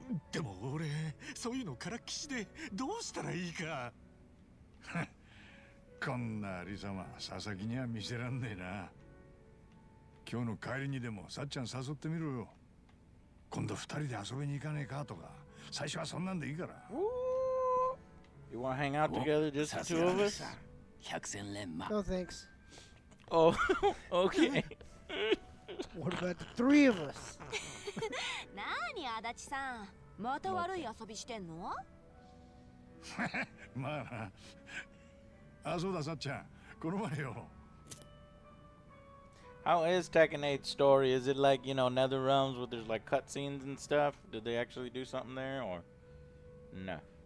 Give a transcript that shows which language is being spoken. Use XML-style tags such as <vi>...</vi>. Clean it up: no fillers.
<ja>でも俺そういうのからっきしでどうしたらいいか。こんな有様、佐々木には見せらんねえな。今日の帰りにでもさっちゃん誘ってみろよ。今度二人で遊びに行かねえかとか。最初はそんなんでいいから。</ja> <en>You wanna hang out together just the two of us?</en> <ja>百戦錬磨。</ja> <en>No thanks. Oh, okay. What about the three of us?</en> <ja>何、足立さん、また悪い遊びしてんの？まあ、あ、そうだ、さっちゃん、この前よ。</ja> <en>How is Tekken 8's story? Is it like, you know, NetherRealms where there's like cutscenes and stuff? Did they actually do something there or no?</en>